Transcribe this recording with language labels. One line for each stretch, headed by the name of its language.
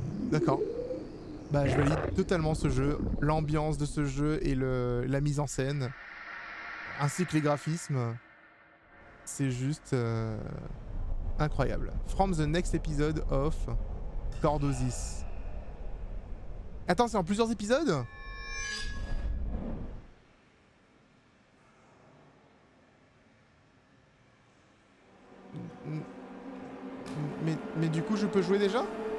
French: D'accord. Bah, je valide totalement ce jeu, l'ambiance de ce jeu et la mise en scène, ainsi que les graphismes. C'est juste incroyable.
English: From the next episode of Cordosis.
French: Attends, c'est en plusieurs épisodes ? Mais du coup, je peux jouer déjà ?